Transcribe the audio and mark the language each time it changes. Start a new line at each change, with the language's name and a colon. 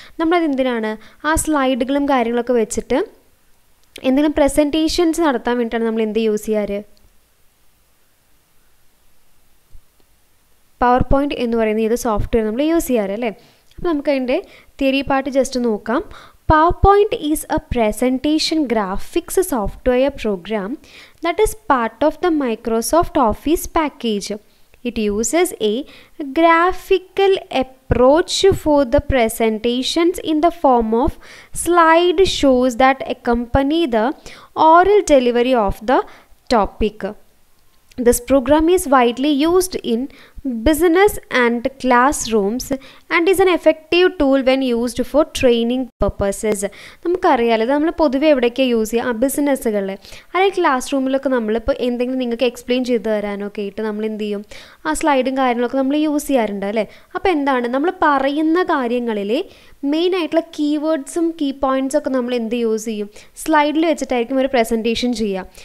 Malayalam: നമ്മളത് എന്തിനാണ്, ആ സ്ലൈഡുകളും കാര്യങ്ങളൊക്കെ വെച്ചിട്ട് എന്തെങ്കിലും പ്രസൻറ്റേഷൻസ് നടത്താൻ വേണ്ടിയിട്ടാണ് നമ്മൾ എന്ത് യൂസ് ചെയ്യാറ്, പവർ പോയിന്റ് എന്ന് പറയുന്ന ഏത് സോഫ്റ്റ്വെയർ നമ്മൾ യൂസ് ചെയ്യാറ് അല്ലേ. അപ്പോൾ നമുക്ക് അതിൻ്റെ തിയറി പാർട്ട് ജസ്റ്റ് നോക്കാം.
English: PowerPoint is a presentation graphics software program that is part of the Microsoft Office package. It uses a graphical approach for the presentations in the form of slide shows that accompany the oral delivery of the topic. This program is widely used in business and classrooms and is an effective tool when used for training purposes.
Malayalam: നമുക്കറിയാലോ നമ്മൾ പൊതുവേ എവിടെയൊക്കെ use ചെയ്യുക, ബിസിനസ്സുകളിൽ അല്ലെങ്കിൽ class റൂമിലൊക്കെ നമ്മളിപ്പോൾ എന്തെങ്കിലും നിങ്ങൾക്ക് എക്സ്പ്ലെയിൻ ചെയ്ത് തരാനൊക്കെ ആയിട്ട് നമ്മൾ എന്ത് ചെയ്യും, ആ സ്ലൈഡും കാര്യങ്ങളൊക്കെ നമ്മൾ യൂസ് ചെയ്യാറുണ്ട് അല്ലേ. അപ്പോൾ എന്താണ് നമ്മൾ പറയുന്ന കാര്യങ്ങളിൽ മെയിനായിട്ടുള്ള കീവേഡ്സും കീ പോയിൻറ്റ്സൊക്കെ നമ്മൾ എന്ത് യൂസ് ചെയ്യും, സ്ലൈഡിൽ വെച്ചിട്ടായിരിക്കും ഒരു പ്രസൻറ്റേഷൻ ചെയ്യുക.